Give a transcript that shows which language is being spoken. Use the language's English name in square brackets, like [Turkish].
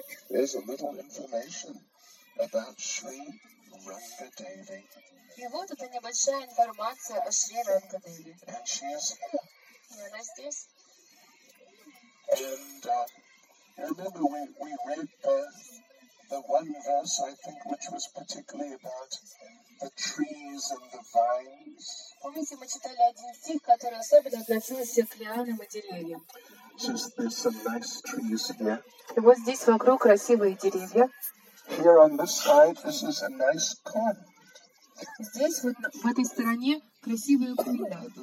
[English] There's a little information about Sri Ranga Devi. [Russian] И вот эта небольшая информация о Шри Ранга Деви. [English] And she is here. [Russian] И она здесь. [English] And remember we read the one verse, I think, which was particularly about the trees and the vines. [Russian] Помните, мы читали один стих, который особенно относился к лианам и деревьям. И вот здесь вокруг красивые деревья. [English] Here on this side, this is a nice pond. [Russian] Здесь вот в этой стороне красивые пруда.